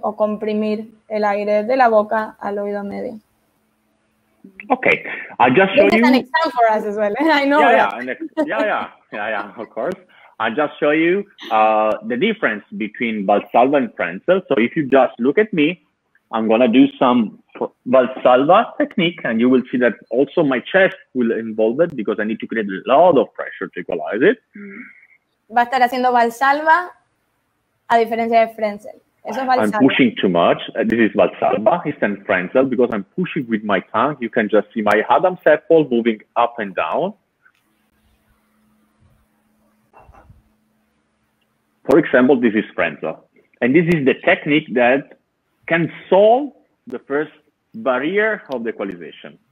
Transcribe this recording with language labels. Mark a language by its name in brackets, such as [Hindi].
[Spanish] O comprimir el aire de la boca al oído medio. [English] Okay, I just show you. This is an exam for us as well. I know. Yeah, of course. I just show you the difference between Valsalva and Frenzel. So if you just look at me, I'm gonna do some Valsalva technique, and you will see that also my chest will involve it because I need to create a lot of pressure to equalize it. [Spanish] Va a estar haciendo Valsalva a diferencia de Frenzel. [English] I'm pushing too much. This is Valsalva. It's in Frenzel because I'm pushing with my tongue. You can just see my Adam's apple moving up and down. For example, this is Frenzel. And this is the technique that can solve the first barrier of the equalization.